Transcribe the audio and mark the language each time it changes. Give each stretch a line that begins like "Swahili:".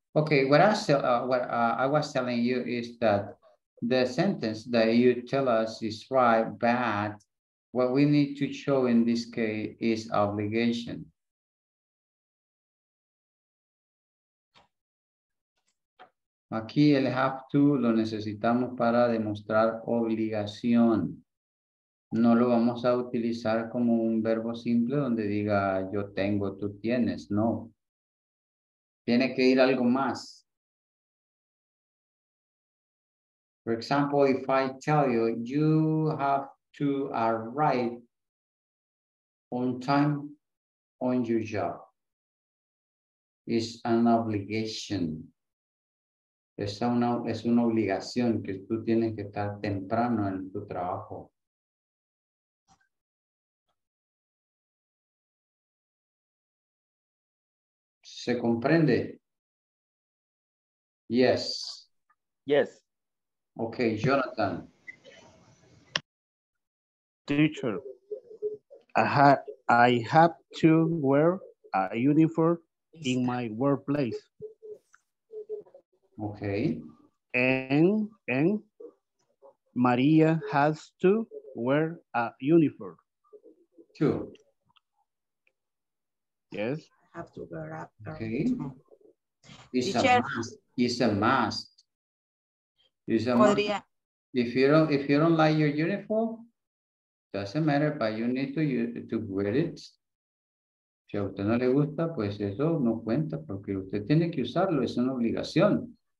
English: Ok, what I was telling you is that the sentence that you tell us is right, bad. What we need to show in this case is obligation.
Spanish: Aquí el have to lo necesitamos para demostrar obligación. No lo vamos a utilizar como un verbo simple donde diga yo tengo, tú tienes. No. Tiene que ir algo más.
English: For example, if I tell you, you have to arrive on time on your job is an obligation.
Spanish: Es una obligación que tú tienes que estar temprano en tu trabajo. ¿Se comprende?
English: Yes. Yes. Okay, Jonathan. Teacher, I have to wear a uniform in my workplace. Okay. And Maria has to wear a uniform. Two. Yes. I have to wear a uniform. Okay. It's a must. If you don't like your uniform, doesn't matter, but you need to wear it.
Spanish: Si a usted no le gusta, pues eso no cuenta, porque usted tiene que usarlo, es una obligación.